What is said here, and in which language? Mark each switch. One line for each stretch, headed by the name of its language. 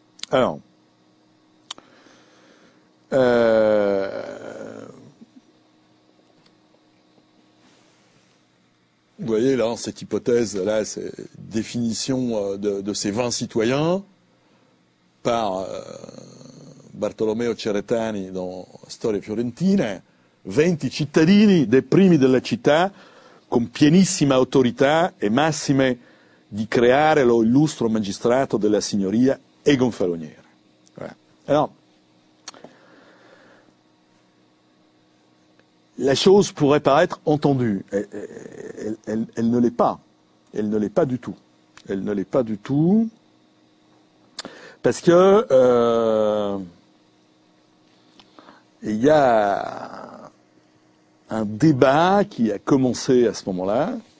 French: Alors, vous voyez, là, cette hypothèse-là, c'est définition de ces 20 citoyens par Bartolomeo Ceretani dans Storia Fiorentina.
Italian: 20 cittadini dei primi della città con pienissima autorità e massime di creare lo illustre magistrato della signoria e gonfaloniere.
French: Voilà. Alors, la chose pourrait paraître entendue. Elle ne l'est pas. Elle ne l'est pas du tout. Elle ne l'est pas du tout. Parce que il y a un débat qui a commencé à ce moment-là.